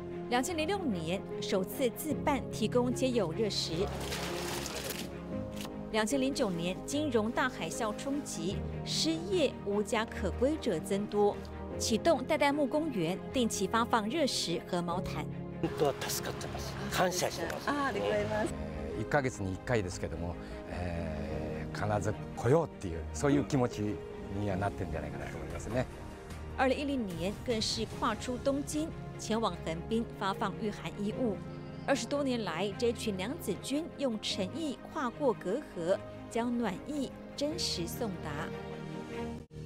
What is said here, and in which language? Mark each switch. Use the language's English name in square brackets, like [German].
[Chinese] 2006年首次自办提供街友热食。 2009年金融大海啸冲击，失业无家可归者增多，启动代代木公园，定期发放热食和毛毯。 [Japanese] 本当は助かってます。感謝してます。ありがとうございます。一ヶ月に一回ですけども、必ず来ようっていうそういう気持ちにはなってるんじゃないかなと思いますね。 [Chinese] 2010年更是跨出东京，前往横滨发放御寒衣物。 20多年来，这群娘子军用诚意跨过隔阂，将暖意真实送达。